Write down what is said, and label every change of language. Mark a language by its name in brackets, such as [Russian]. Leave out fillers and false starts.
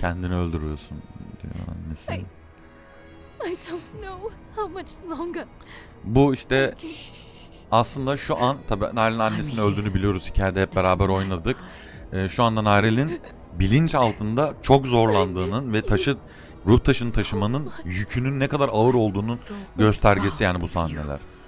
[Turkish] Kendini öldürüyorsun diyor annesi. [English] I don't know how much longer. [Turkish] Bu işte aslında şu an, tabii Nalan'ın annesinin öldüğünü biliyoruz. Hikayede hep beraber oynadık. Şu anda Narel'in bilinç altında çok zorlandığının ve ruh taşını taşımanın yükünün ne kadar ağır olduğunun göstergesi yani bu sahneler.